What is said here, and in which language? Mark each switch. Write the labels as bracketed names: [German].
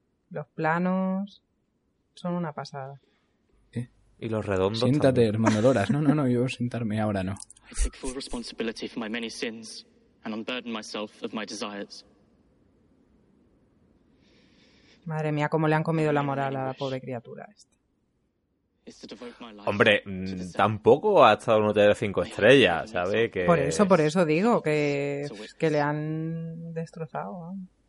[Spanish] Los planos son una pasada. ¿Eh? Y los redondos. Siéntate, también. Hermano Loras. No, yo sentarme ahora no. [English] I take full responsibility for my many sins and unburden myself of my desires. [Spanish] Madre mía, cómo le han comido la moral a la pobre criatura esta. Hombre, tampoco ha estado en un hotel de 5 estrellas, ¿sabes? Que... Por eso digo que le han destrozado, ¿no?